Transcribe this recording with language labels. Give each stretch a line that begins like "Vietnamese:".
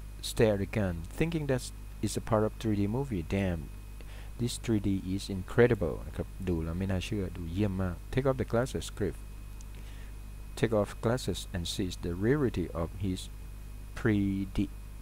English: Stare again, thinking that is a part of 3D movie. Damn, this 3D is incredible.
Thai: นะครับดูแล้วไม่น่าเชื่อดูเยี่ยมมาก
English: Take off the glasses, Griff. Take off glasses and sees the rarity of his predicament.